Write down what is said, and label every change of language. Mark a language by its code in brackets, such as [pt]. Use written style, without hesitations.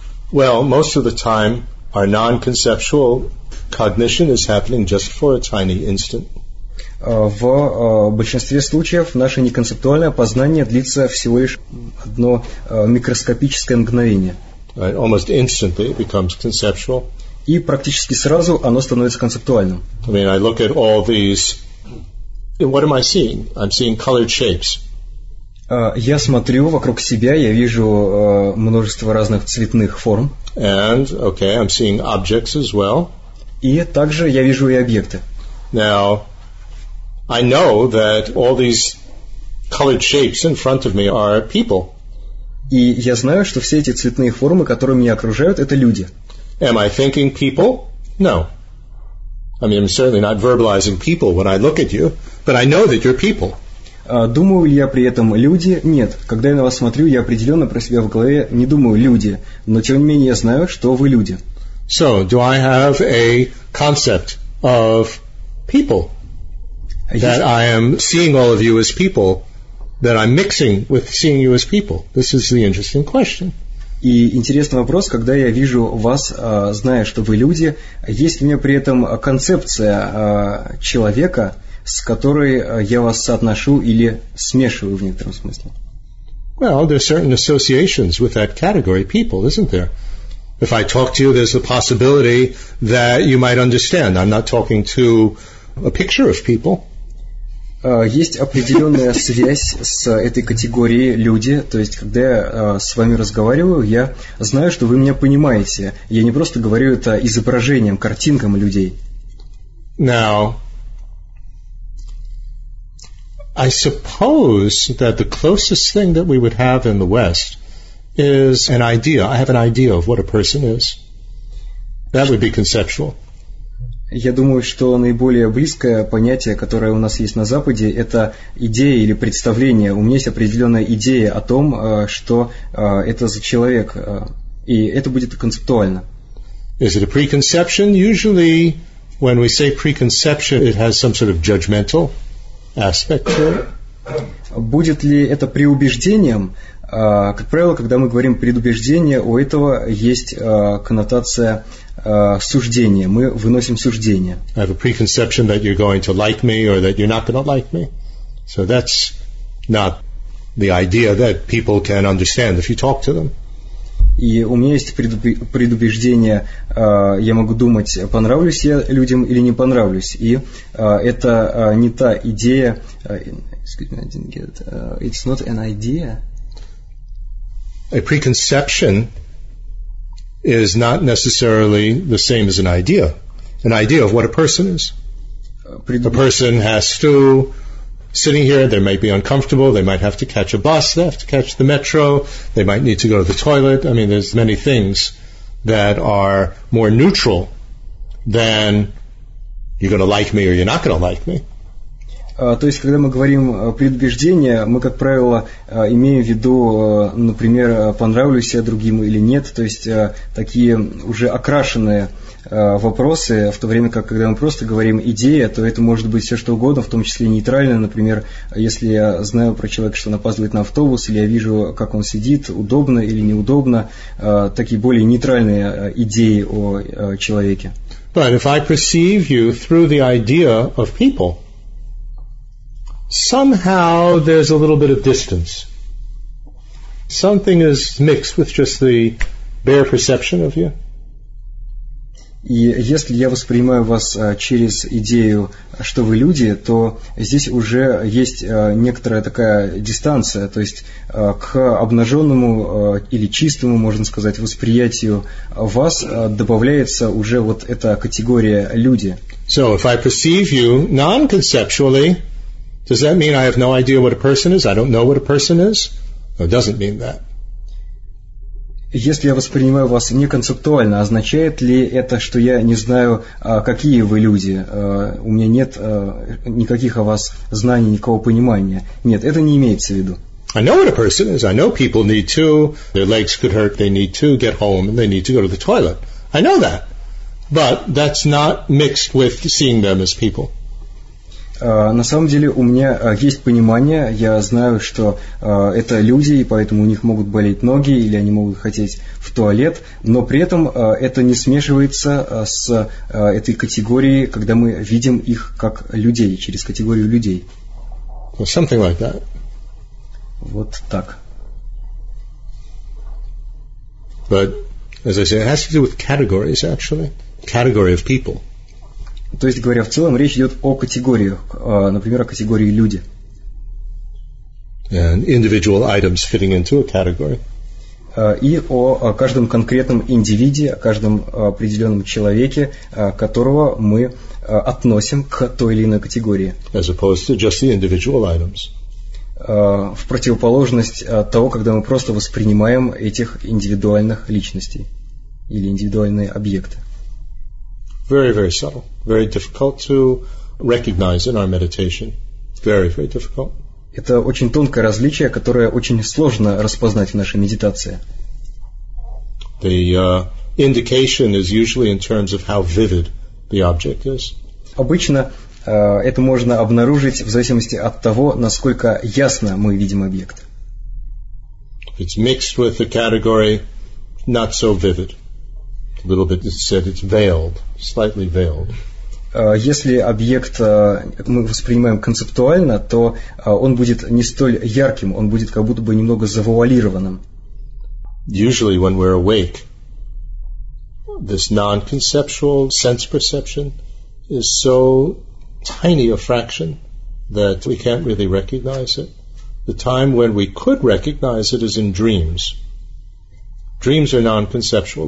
[en] Well, most of the time our non-conceptual cognition is happening just for a tiny instant. [ru] В большинстве случаев наше неконцептуальное познание длится всего лишь одно микроскопическое мгновение. [en] Right, almost instantly it becomes conceptual. [ru] И практически сразу оно становится концептуальным. [en] I mean, I look at all these. What am I seeing? I'm seeing colored shapes. [ru] Я смотрю вокруг себя, я вижу множество разных цветных форм. [en] And okay, I'm seeing objects as well. [ru] И также я вижу и объекты. [en] Now, I know that all these colored shapes in front of me are people. [ru] И я знаю, что все эти цветные формы, которые меня окружают, это люди. [en] Am I thinking people? No. I mean, I'm certainly not verbalizing people when I look at you, but I know that you're people. [ru] Думаю ли я при этом люди? Нет. Когда я на вас смотрю, я определенно про себя в голове не думаю люди, но тем не менее я знаю, что вы люди. [en] So, do I have a concept of people? That I am seeing all of you as people? That I'm mixing with seeing you as people. This is the interesting question. [ru] И интересный вопрос, когда я вижу вас, зная, что вы люди, есть у меня при этом концепция человека, с которой я вас соотношу или смешиваю в некотором смысле. [en] Well, there are certain associations with that category, people, isn't there? If I talk to you, there's a possibility that you might understand. I'm not talking to a picture of people. [ru] Есть определенная связь с этой категорией люди, то есть, когда я с вами разговариваю, я знаю, что вы меня понимаете. Я не просто говорю это изображением, картинкам людей. [en] Now, I suppose that the closest thing that we would have in the West is an idea. I have an idea of what a person is. That would be conceptual. [ru] Я думаю, что наиболее близкое понятие, которое у нас есть на Западе, это идея или представление. У меня есть определенная идея о том, что это за человек, и это будет концептуально. [en] Is it a preconception? Usually, when we say preconception, it has some sort of judgmental aspect to it. [ru] Будет ли это преубеждением? Как правило, когда мы говорим предубеждение, у этого есть коннотация суждения. Мы выносим суждение. [en] I have a preconception that you're going to like me or that you're not going to like me. So that's not the idea that people can understand if you talk to them. [ru] И у меня есть предубеждение, я могу думать, понравлюсь я людям или не понравлюсь. И это не та идея. [en] Excuse me, I didn't get it. It's not an idea. A preconception is not necessarily the same as an idea of what a person is. The person has to, sitting here, they might be uncomfortable, they might have to catch a bus, they have to catch the metro, they might need to go to the toilet. I mean, there's many things that are more neutral than you're going to like me or you're not going to like me. [ru] То есть, когда мы говорим предубеждения, мы, как правило, имеем в виду, например, понравлюсь я другим или нет, то есть такие уже окрашенные вопросы, в то время как, когда мы просто говорим «идея», то это может быть все что угодно, в том числе нейтральное, например, если я знаю про человека, что он опаздывает на автобус, или я вижу, как он сидит, удобно или неудобно, такие более нейтральные идеи о человеке. [en] But if I perceive you through the idea of people, somehow there's a little bit of distance. Something is mixed with just the bare perception of you. [ru] И если я воспринимаю вас через идею, что вы люди, то здесь уже есть некоторая такая дистанция, то есть к обнаженному или чистому, можно сказать, восприятию вас добавляется уже вот эта категория люди. [en] So if I perceive you non-conceptually, does that mean I have no idea what a person is? I don't know what a person is? No, it doesn't mean that. [ru] Если я воспринимаю вас неконцептуально, означает ли это, что я не знаю, какие вы люди? У меня нет никаких о вас знаний, никакого понимания. Нет, это не имеется в виду. [en] I know what a person is. I know people need to. Their legs could hurt. They need to get home. They need to go to the toilet. I know that. But that's not mixed with seeing them as people. [ru] На самом деле у меня есть понимание, я знаю, что это люди, и поэтому у них могут болеть ноги, или они могут хотеть в туалет, но при этом это не смешивается с этой категорией, когда мы видим их как людей, через категорию людей. [en] Well, something like that. [ru] Вот так. [en] But, as I say, it has to do with categories, actually. Category of people. [ru] То есть, говоря в целом, речь идет о категориях, например, о категории люди. [en] And individual items fitting into a category. [ru] И о каждом конкретном индивиде, о каждом определенном человеке, которого мы относим к той или иной категории. [en] As opposed to just the individual items. [ru] В противоположность того, когда мы просто воспринимаем этих индивидуальных личностей или индивидуальные объекты. [en] Very, very subtle. Very difficult to recognize in our meditation. Very, very difficult. [ru] Это очень тонкое различие, которое очень сложно распознать в нашей медитации. [en] The indication is usually in terms of how vivid the object is. [ru] Обычно это можно обнаружить в зависимости от того, насколько ясно мы видим объект. [en] If it's mixed with the category, not so vivid. A little bit, it said it's veiled, slightly veiled. [ru] Если объект мы воспринимаем концептуально, то он будет не столь ярким, он будет как будто бы немного завуалированным. [en] Usually when we're awake, this non-conceptual sense perception is so tiny a fraction that we can't really recognize it. The time when we could recognize it is in dreams. Dreams are non-conceptual.